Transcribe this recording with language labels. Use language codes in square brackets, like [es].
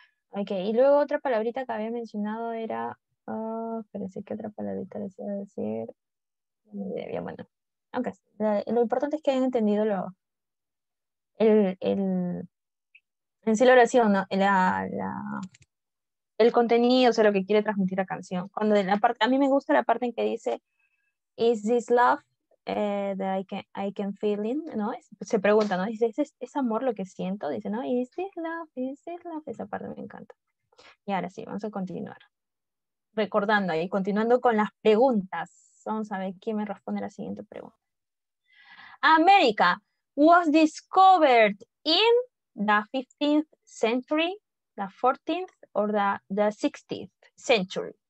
[es] Ok, y luego otra palabrita que había mencionado era... parece que otra palabrita les iba a decir. Bueno, aunque lo importante es que hayan entendido lo... En sí la oración, ¿no? El contenido, o sea, lo que quiere transmitir la canción. Cuando en la parte... A mí me gusta la parte en que dice... [en] Is this love that I can feel in? [es] No, se pregunta, ¿no? Dice, ¿es amor lo que siento? Dice, ¿no? [en] Is this love? Is this love? [es] Esa parte me encanta. Y ahora sí, vamos a continuar. Recordando ahí, continuando con las preguntas. Vamos a ver quién me responde la siguiente pregunta. [en] America was discovered in the 15th century, the 14th or the 16th century.